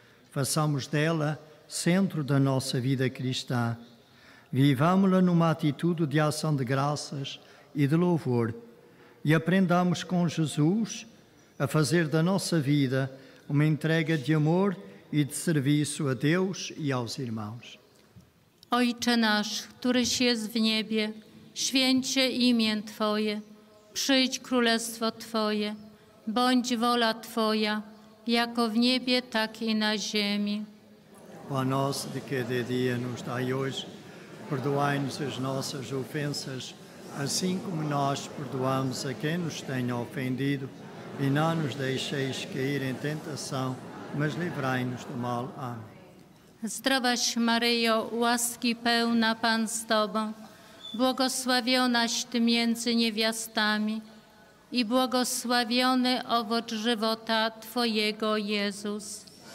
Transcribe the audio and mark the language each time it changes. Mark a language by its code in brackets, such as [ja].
[pt] Façamos dela centro da nossa vida cristã. Vivamo-la numa atitude de ação de graças e de louvor. E aprendamos com Jesus a fazer da nossa vida uma entrega de amor e de serviço a Deus e aos irmãos. [pl] Ojcze nasz, któryś jest w niebie, święć się imię Twoje, przyjdź królestwo Twoje, bądź wola Twoja, jako w niebie, tak i na ziemi. [pt] Pão nosso de cada dia nos dai hoje, perdoai-nos as nossas ofensas, assim como nós perdoamos a quem nos tenha ofendido. E não nos deixeis cair em tentação, mas livrai-nos do mal. Amém. [pl] Zdrowaś Maryjo, łaski pełna Pan z Tobą, błogosławionaś Ty między niewiastami i błogosławiony owoc żywota Twojego, Jezus.